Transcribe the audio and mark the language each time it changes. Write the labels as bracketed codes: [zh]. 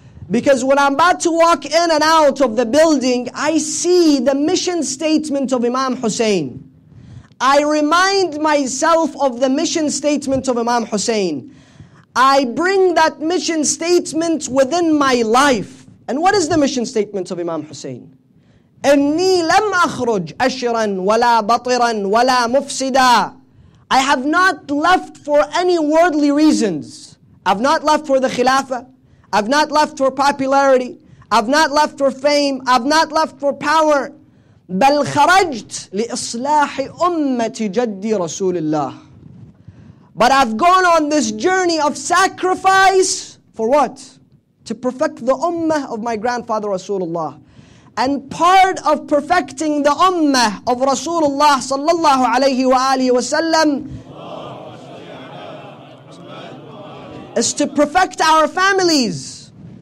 [en] Because when I'm about to walk in and out of the building, I see the mission statement of Imam Hussein. I remind myself of the mission statement of Imam Hussein. I bring that mission statement within my life. And what is the mission statement of Imam Hussein? [ar] إني لم أخرج أشرا ولا بطرا ولا مفسدا. [en] I have not left for any worldly reasons. I've not left for the Khilafah. I've not left for popularity. I've not left for fame. I've not left for power. [ar] بل خرجت لإصلاح أمة جدي رسول الله. [en] But I've gone on this journey of sacrifice for what? To perfect the ummah of my grandfather Rasulullah. And part of perfecting the ummah of Rasulullah sallallahu alayhi wa alihi wa sallam is to perfect our families.